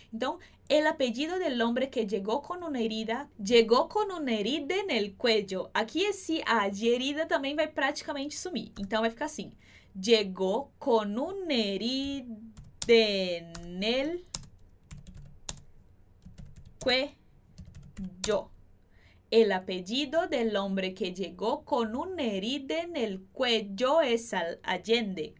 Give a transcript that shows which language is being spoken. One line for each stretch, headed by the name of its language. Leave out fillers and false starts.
Spanish: Então, el apellido del hombre que llegó con una herida en el cuello.
Portuguese: Aqui, esse A de herida também vai praticamente sumir. Então, vai ficar assim.
Spanish: Llegó con una herida en el... cuello. El apellido del hombre que llegó con una herida en el cuello es Allende.